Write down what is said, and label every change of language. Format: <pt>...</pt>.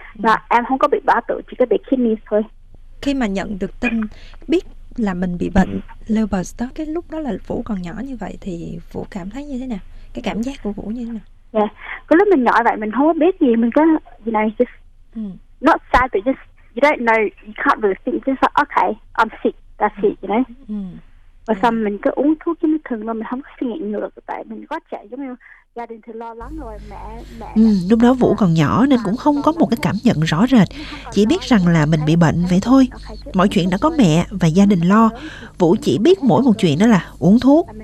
<vi>Mà em không có bị bao tử, chỉ có bị kidneys thôi. Khi mà nhận được tin biết là mình bị bệnh lupus đó, cái lúc đó là Vũ còn nhỏ như vậy thì Vũ cảm thấy như thế nào, cái cảm giác của Vũ như thế nào? Cái lúc mình nhỏ vậy mình không có biết gì, mình có gì này chứ.</vi> <en>Not sad, but just you don't know, you can't really think. Just like okay, I'm sick. That's it, you know.</en> <vi>Và xong mình cứ uống thuốc như thường mà mình không có suy nghĩ nhiều được, tại mình quá trẻ, giống như gia đình thì lo lắng rồi mẹ. Lúc đó Vũ còn nhỏ nên cũng không có một cái cảm nhận rõ rệt, chỉ biết rằng là mình bị bệnh vậy thôi. Mọi chuyện đã có mẹ và gia đình lo. Vũ chỉ biết mỗi một chuyện đó là uống thuốc.</vi>